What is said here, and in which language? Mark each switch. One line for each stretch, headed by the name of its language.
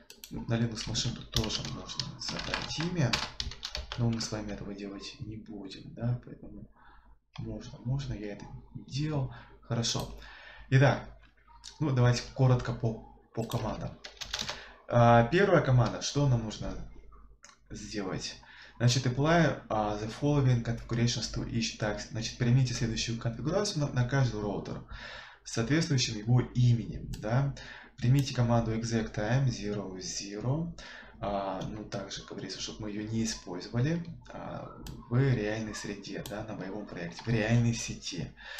Russian: На Linux Machine тут тоже можно задать имя, но мы с вами этого делать не будем, да, поэтому можно, я это делал. Хорошо. Итак, ну давайте коротко по командам. Первая команда, что нам нужно сделать? Значит,
English: apply the following configurations to each tag.
Russian: Значит, примите следующую конфигурацию на каждый роутер с соответствующим его именем, да. Примите команду exec time 00, ну также, как говорится, чтобы мы ее не использовали в реальной среде, да, на боевом проекте, в реальной сети.